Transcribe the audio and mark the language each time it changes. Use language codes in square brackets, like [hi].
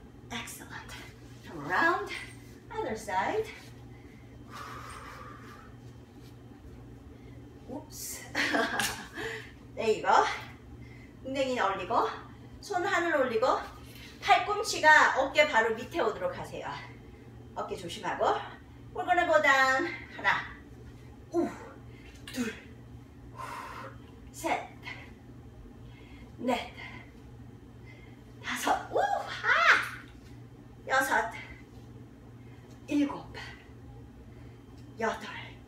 [en] Excellent. Come around. Other side. [ko] Oops. 네, 이거. 궁뎅이 올리고, 손 하늘 올리고, 팔꿈치가 어깨 바로 밑에 오도록 하세요. 어깨 조심하고, [en] we're gonna go down. [ko] 하나, 우, 둘, 셋, 넷, 다섯, 우, 하, 여섯, 일곱, 여덟,